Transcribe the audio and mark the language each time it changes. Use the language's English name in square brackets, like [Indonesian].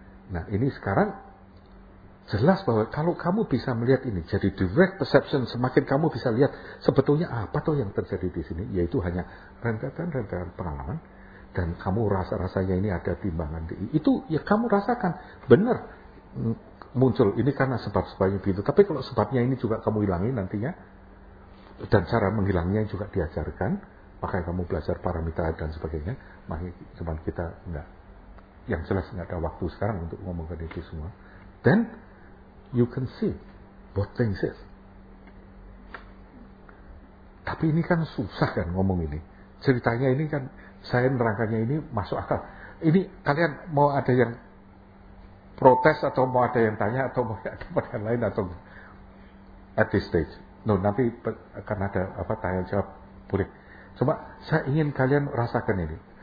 [Indonesian] Nah ini sekarang jelas bahwa kalau kamu bisa melihat ini, jadi direct perception, semakin kamu bisa lihat sebetulnya apa tuh yang terjadi di sini, yaitu hanya rentetan-rentetan pengalaman, dan kamu rasa-rasanya ini ada timbangan di itu, ya kamu rasakan benar muncul ini karena sebab-sebabnya begitu. Tapi kalau sebabnya ini juga kamu hilangi nantinya, dan cara menghilangnya juga diajarkan, makanya kamu belajar paramita dan sebagainya. Makanya cuman kita enggak, yang jelas enggak ada waktu sekarang untuk ngomongkan itu semua. [English] Then you can see what things is. [Indonesian] Tapi ini kan susah kan ngomong ini. Ceritanya ini kan saya nerangkannya ini masuk akal. Ini kalian mau ada yang protes atau mau ada yang tanya atau mau ada tempat yang lain atau [English] at this stage. [Indonesian] No, nanti akan ada apa tanya jawab boleh. Cuma saya ingin kalian rasakan ini.